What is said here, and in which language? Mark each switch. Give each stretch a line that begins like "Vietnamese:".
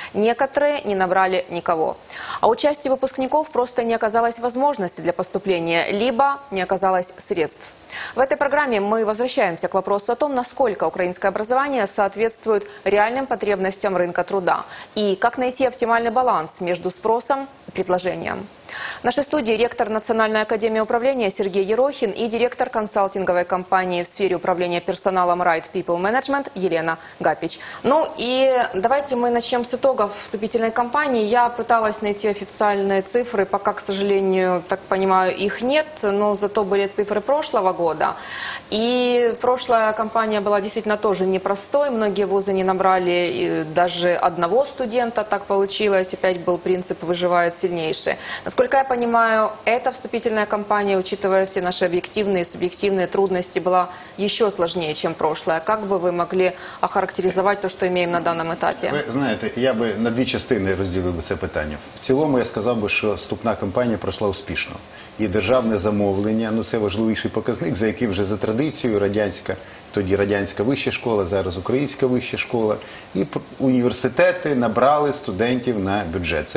Russian: Некоторые не набрали никого. А участие выпускников просто не оказалось возможности для поступления, либо не оказалось средств. В этой программе мы возвращаемся к вопросу о том, насколько украинское образование соответствует реальным потребностям рынка труда и как найти оптимальный баланс между спросом и предложением. В нашей студии ректор Национальной академии управления Сергей Ерохин и директор консалтинговой компании в сфере управления персоналом Right People Management Елена Гапич. Ну и давайте мы начнем с итогов вступительной кампании. Я пыталась найти официальные цифры, пока, к сожалению, так понимаю, их нет, но зато были цифры прошлого года. И прошлая кампания была действительно тоже непростой. Многие вузы не набрали даже одного студента, так получилось. Опять был принцип «выживает сильнейший». Насколько я понимаю, эта вступительная кампания, учитывая все наши объективные и субъективные трудности, была еще сложнее, чем прошлая. Как бы вы могли охарактеризовать то, что имеем на данном этапе? Вы знаете, я бы
Ukrainian: на дві частини розділив би це питання. В цілому я сказав би, що вступна кампанія пройшла успішно. І державне замовлення, ну це важливіший показник, за яким вже за традицією радянська, тоді радянська вища школа, зараз українська вища школа. І університети набрали студентів на бюджет.